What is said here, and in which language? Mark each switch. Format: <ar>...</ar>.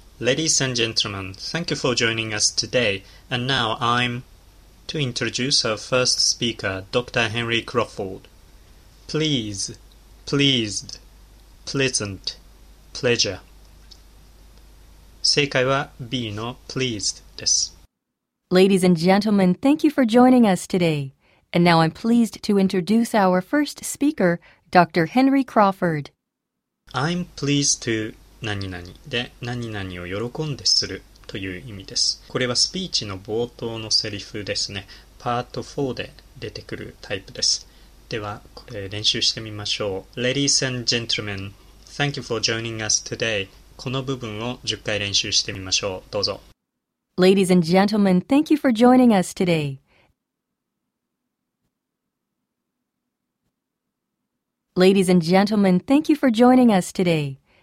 <en>Ladies and gentlemen, thank you for joining us today. And now I'm to introduce our first speaker, Dr. Henry Crawford. Please, pleased, pleasant, pleasure.</en> <ja>正解は B の pleased です。</ja> <en>Ladies and gentlemen, thank you for joining us today. And now I'm pleased to introduce our first speaker, Dr. Henry Crawford. I'm pleased to</en> <ja>何々で何々を喜んでするという意味です。これはスピーチの冒頭のセリフですね。パート4で出てくるタイプです。ではこれ練習してみましょう。</ja> <en>Ladies and gentlemen, thank you for joining us today.</en> <ja>この部分を10回練習してみましょう。どうぞ。</ja> <en>Ladies and gentlemen, thank you for joining us today. Ladies and gentlemen, thank you for joining us today.</en>